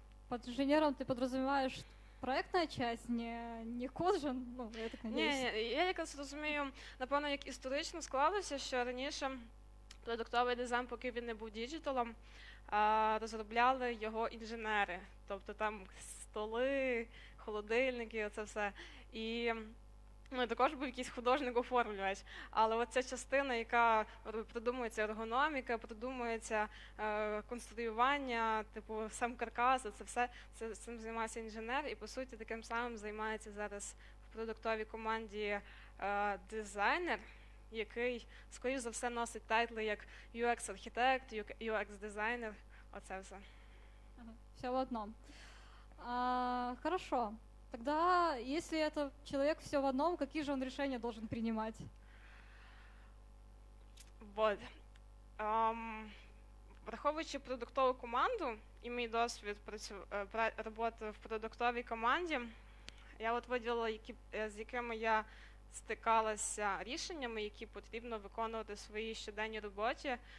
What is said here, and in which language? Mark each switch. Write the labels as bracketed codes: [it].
[uk] Під інженером ти підрозумієш проєктна частина, не код же, ну, я так надіюсь. Ні, я якось розумію, напевно, як історично склалося, що раніше продуктовий дизайн, поки він не був діджиталом, розробляли його інженери. Тобто там столи, холодильники, оце все. І ну, також був якийсь художник оформлювач, але оця частина, яка продумується ергономіка, продумується конструювання, типу сам каркас, це все, цим займається інженер, і по суті таким самим займається зараз в продуктовій команді дизайнер, який, скоріш за все, носить тайтли як UX-архітект, UX-дизайнер, оце все. Все в одному. [ru] Хорошо. Тогда, если это человек все в одном, какие же он решения должен принимать? Вот. [uk] Враховуючи продуктову команду и мой досвід роботи в продуктовій команді, я от виділила, з якими я стикалася рішеннями, які потрібно виконувати в своїй щоденній роботі.